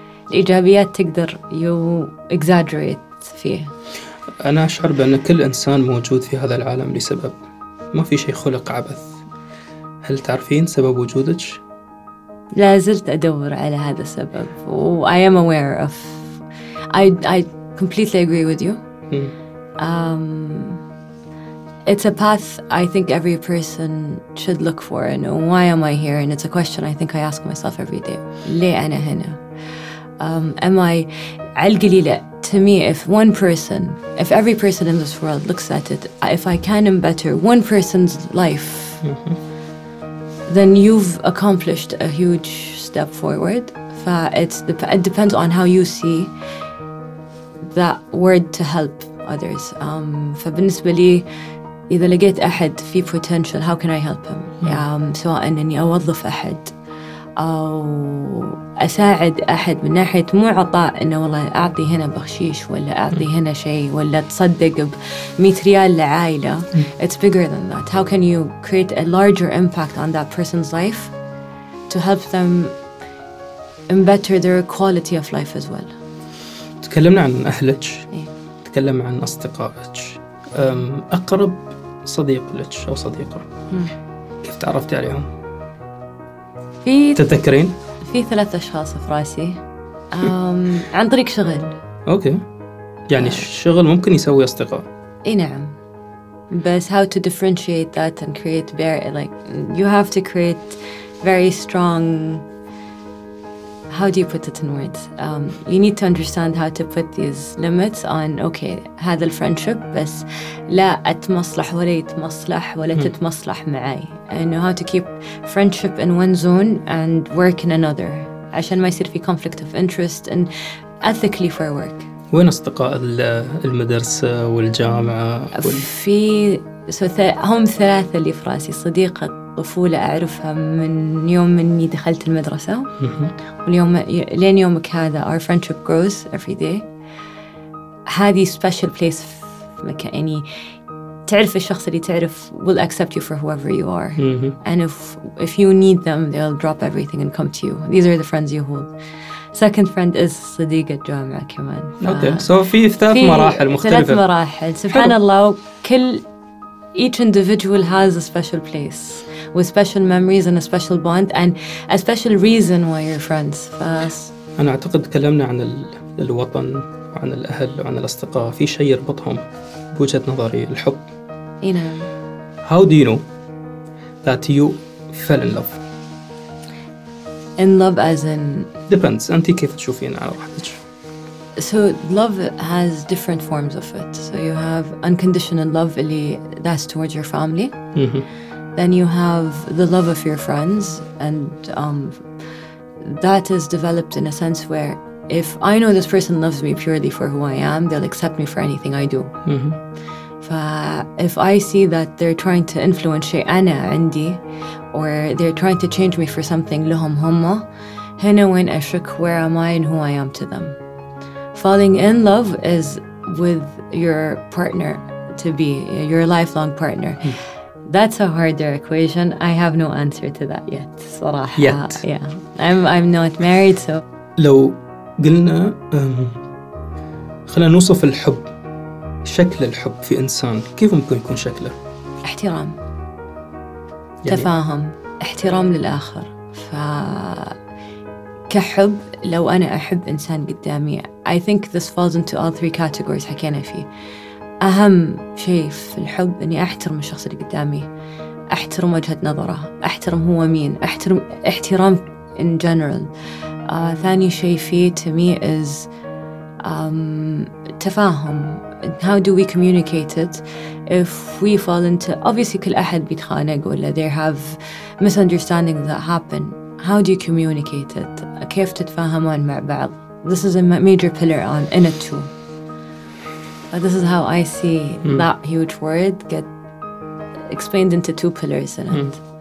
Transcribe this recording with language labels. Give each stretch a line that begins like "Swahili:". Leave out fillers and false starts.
Arabic: الإيجابيات تقدر
English: you exaggerate
Arabic: فيه. أنا أشعر بأن كل إنسان موجود في هذا العالم لسبب. ما في شيء خلق عبث. هل تعرفين سبب وجودك؟ لا زلت أدور على هذا السبب.
English: Oh, I am aware of. I completely agree with you. It's a path I think every person should look for. And why am I here? And it's a question I think I ask myself every day.
Arabic: ليه أنا هنا؟
English: Am I
Arabic: على القليلة؟
English: To me, if one person, if every person in this world looks at it, if I can better one person's life, then you've accomplished a huge step forward. It depends on how you see that word to help others.
Arabic: فبالنسبة لي, إذا لقيت أحد في
English: potential, how can I help him?
Arabic: سواء أنني أوظف أحد أو أساعد أحد من ناحية مو عطاء إنه والله أعطي هنا بخشيش ولا أعطي هنا شيء ولا تصدق بمئة ريال لعائلة.
English: It's bigger than that. How can you create a larger impact on that person's life to help them better their quality of life as well?
Arabic: تكلمنا عن أهلك. تكلم عن أصدقائك. أقرب صديق لك أو صديقة. كيف تعرفت عليهم؟ تتذكرين؟ في ثلاثة أشخاص في رأسي عن طريق شغل. أوكي. يعني الشغل ممكن يسوي أصدقاء. إيه نعم.
English: بس how to differentiate that and create very like you have to create very strong. How do you put it in words? You need to understand how to put these limits on.
Arabic: Okay, هذا الفريندشيب بس لا أتمصلح ولا يتمصلح ولا تتمصلح معي.
English: And how to keep friendship in one zone and work in another.
Arabic: عشان ما يصير في
English: conflict of interest and ethically for work.
Arabic: وين أصدقاء المدرسة والجامعة؟ في هم ثلاثة اللي في رأسي. صديقة طفولة أعرفها من يوم مني دخلت المدرسة واليوم لين يومك هذا
English: our friendship grows every day.
Arabic: هذه
English: special place
Arabic: في مكان يعني تعرف الشخص اللي تعرف
English: will accept you for whoever you are. And if you need them they'll drop everything and come to you. These are the friends you hold. Second friend is
Arabic: صديقة جامعة كمان. في مراحل مختلفة. ثلاث مراحل سبحان الله.
English: كل each individual has a special place with special memories and a special bond and a special reason why you're friends.
Arabic: أنا أعتقد تكلمنا عن الوطن وعن الأهل وعن الأصدقاء في شيء يربطهم بوجهة نظري الحب. إيه نعم.
English: How do you know that you fell in love? In love as in depends.
Arabic: أنت كيف تشوفين على راحتك؟
English: So love has different forms of it. So you have unconditional love اللي that's towards your family. Then you have the love of your friends, and that is developed in a sense where if I know this person loves me purely for who I am, they'll accept me for anything I do. If I see that they're trying to influence
Arabic: شيء أنا عندي,
English: or they're trying to change me for something
Arabic: لهم هما, هنا وين أشك
English: where am I and who I am to them. Falling in love is with your partner to be, your lifelong partner. That's a harder equation. I have no answer to that yet.
Arabic: صراحة.
English: Yet. Yeah. I'm not married, so.
Arabic: لو قلنا خلنا نوصف الحب شكل الحب في إنسان كيف ممكن يكون شكله؟ احترام. يعني تفاهم. احترام للآخر. ف كحب لو أنا أحب إنسان قدامي.
English: I think this falls into all three categories
Arabic: حكينا فيه. أهم شيء في الحب أني أحترم الشخص اللي قدامي, أحترم وجهة نظره, أحترم هو مين, أحترم احترام in general. ثاني شيء فيه
English: to me is
Arabic: تفاهم.
English: How do we communicate it if we fall into obviously
Arabic: كل أحد بيتخانق ولا
English: they have misunderstandings that happen. How do you communicate it,
Arabic: كيف تتفاهمون مع بعض.
English: This is a major pillar on in it too. But this is how I see that huge word get explained into two pillars in it.